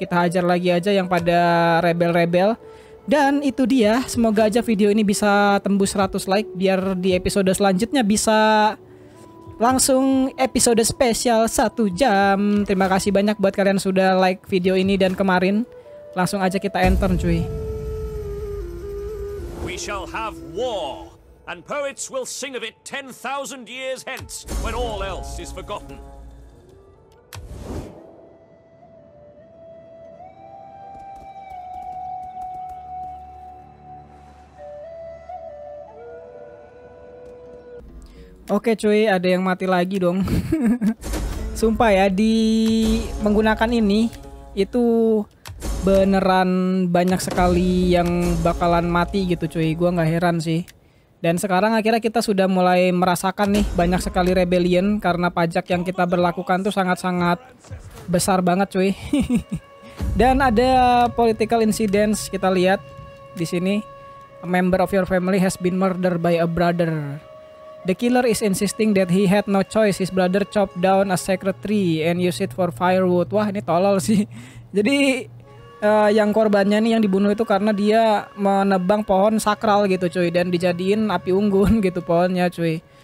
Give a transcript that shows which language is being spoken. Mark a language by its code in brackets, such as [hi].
[id] Kita hajar lagi aja yang pada rebel-rebel. Dan itu dia, semoga aja video ini bisa tembus 100 like biar di episode selanjutnya bisa langsung episode spesial 1 jam. Terima kasih banyak buat kalian sudah like video ini dan kemarin. Langsung aja kita enter cuy. [en] We shall have war and poets will sing of it 10,000 years hence when all else is forgotten. [id] Oke cuy, ada yang mati lagi dong. Sumpah ya, di menggunakan ini itu beneran banyak sekali yang bakalan mati gitu cuy. Gua nggak heran sih. Dan sekarang akhirnya kita sudah mulai merasakan nih banyak sekali rebellion karena pajak yang kita berlakukan tuh sangat-sangat besar banget cuy. Dan ada political incidents kita lihat di sini. [en] A member of your family has been murdered by a brother. The killer is insisting that he had no choice. His brother chopped down a sacred tree and used it for firewood. [id] Wah, ini tolol sih. Jadi yang korbannya nih yang dibunuh itu karena dia menebang pohon sakral gitu cuy, dan dijadiin api unggun gitu pohonnya cuy.